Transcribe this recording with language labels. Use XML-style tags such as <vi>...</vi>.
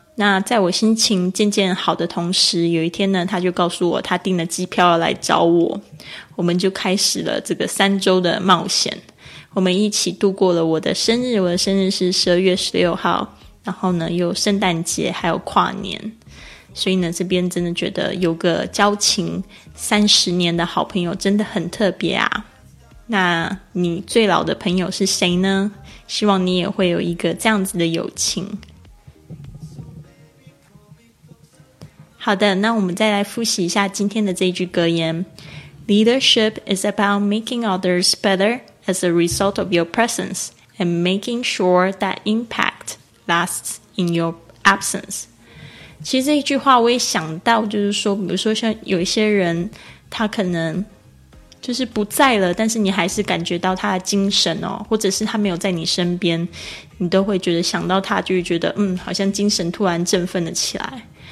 <zh>那在我心情渐渐好的同时，有一天呢他就告诉我他订了机票要来找我，我们就开始了这个三周的冒险，我们一起度过了我的生日，我的生日是12月16号，然后呢又圣诞节还有跨年，所以呢这边真的觉得有个交情30年的好朋友真的很特别啊。那你最老的朋友是谁呢？希望你也会有一个这样子的友情。好的，那我们再来复习一下今天的这句格言。</zh> <en>Leadership is about making others better as a result of your presence and making sure that impact lasts in your absence.</en> <zh>其实这一句话我也想到，就是说比如说像有一些人他可能就是不在了，但是你还是感觉到他的精神哦，或者是他没有在你身边，你都会觉得想到他就会觉得好像精神突然振奋了起来。</zh>